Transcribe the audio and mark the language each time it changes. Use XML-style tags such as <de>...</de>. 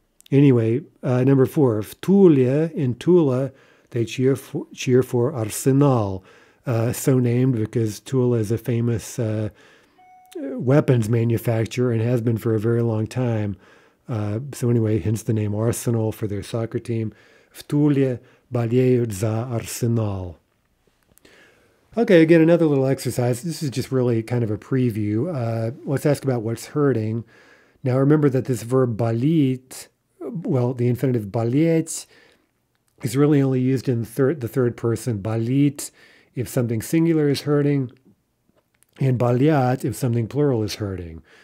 <en>Anyway, number four,</en> <ru>в Туле</ru> <en>in Tula, they cheer for Арсенал, so named because Tula is a famous weapons manufacturer and has been for a very long time. So anyway, hence the name Arsenal for their soccer team.</en> <ru>В Туле болеют за Арсенал.</ru> <en>Okay, again, another little exercise. This is just really kind of a preview. Let's ask about what's hurting. Now, remember that this verb болеть, well, the infinitive болеть, is really only used in the third person, болеть, if something singular is hurting, and болят, if something plural is hurting.</en>